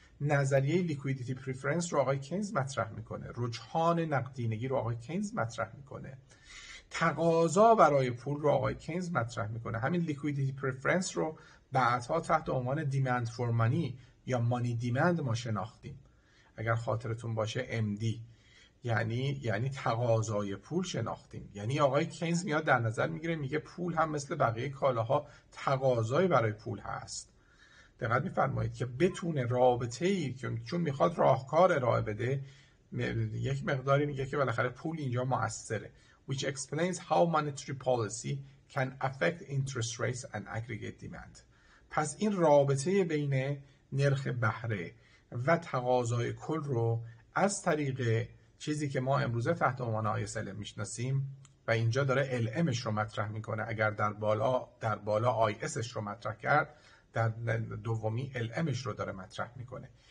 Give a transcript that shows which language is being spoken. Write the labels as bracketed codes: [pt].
[fa] نظریه لیکویدیتی پریفرنس رو آقای کینز مطرح میکنه، رجحان نقدینگی رو آقای کینز مطرح میکنه، تقاضا برای پول رو آقای کینز مطرح میکنه، همین لیکویدیتی پریفرنس رو بعدها تحت عنوان دیمند فور مانی یا مانی دیمند ما شناختیم اگر خاطرتون باشه، MD یعنی تقاضای پول شناختیم. یعنی آقای کینز میاد در نظر میگیره میگه پول هم مثل بقیه کالاها تقاضای برای پول هست. دقیق میفرمایید که بتونه رابطه ای که چون میخواد راهکار ارائه بده، یک مقداری میگه که بالاخره پول اینجا مؤثره. [en] Which explains how monetary policy can affect interest rates and aggregate demand. [fa] پس این رابطه بین نرخ بهره و تقاضای کل رو از طریق چیزی که ما امروزه تحت عنوان ISLM میشناسیم و اینجا داره LMش رو مطرح میکنه، اگر در بالا ISش رو مطرح کرد، در دومی LMش رو داره مطرح میکنه.